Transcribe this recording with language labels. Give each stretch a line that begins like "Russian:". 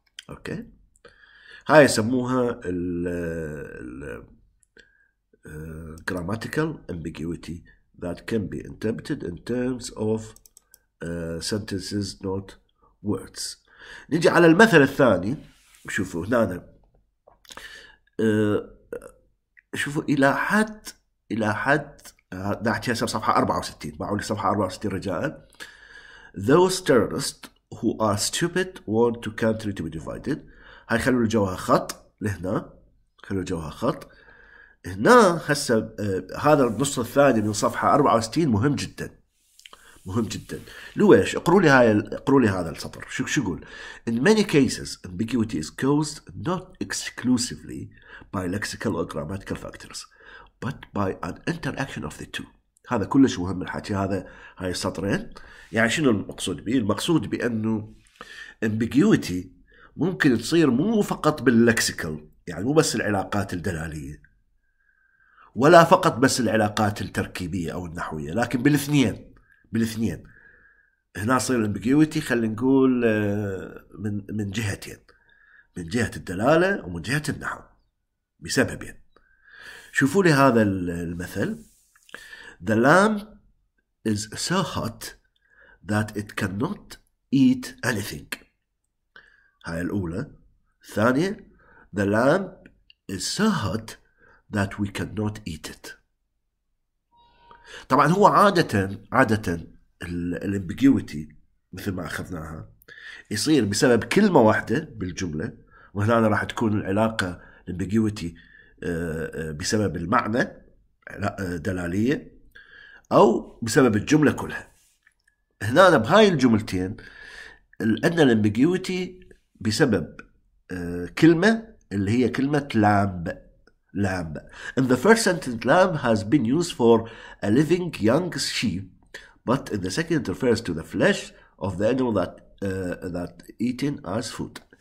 Arabic: أوكي هاي يسموها ال
English: grammatical ambiguity that can be interpreted in terms of sentences not words.
Arabic: نجي على المثل الثاني شوفوا هنا شوفوا إلى حد نحكي هسه صفحة 64 باعوا لي صفحة 64 رجاء.
English: Those terrorists who are stupid want to country to be divided.
Arabic: هاي خلوا الجوها خط لهنا خلوا الجوها خط هنا هسه هذا النص الثاني من صفحة 64 مهم جدا مهم جدا. لويش اقروا لي هذا السطر شو يقول.
English: In many cases ambiguity is caused not exclusively by lexical or grammatical factors, but by an interaction of the two.
Arabic: هذا كلش مهم الحكي هذا، هاي السطرين. يعني شنو المقصود به؟ المقصود بأنه ambiguity ممكن تصير مو فقط باللكسيكال، يعني مو بس العلاقات الدلالية ولا فقط بس العلاقات التركيبية أو النحوية، لكن بالاثنين هنا صير ambiguity. خلينا نقول من جهتين، من جهة الدلالة ومن جهة النحو بسببين. شوفوا لي هذا المثل:
English: The lamb is so hot that it cannot eat anything.
Arabic: هاي الأولى. الثانية:
English: The lamb is so hot that we cannot eat it.
Arabic: طبعا هو عادة الambiguity مثل ما أخذناها يصير بسبب كلمة واحدة بالجملة، وهنا أنا راح تكون العلاقة الambiguity بسبب المعنى دلالية أو بسبب الجملة كلها. هنا أنا بهاي الجملتين عندنا الambiguity بسبب كلمة اللي هي كلمة lamb.
English: In the first sentence, lamb has been used for a living young sheep, but in the second it refers to the flesh of the animal that eaten as food.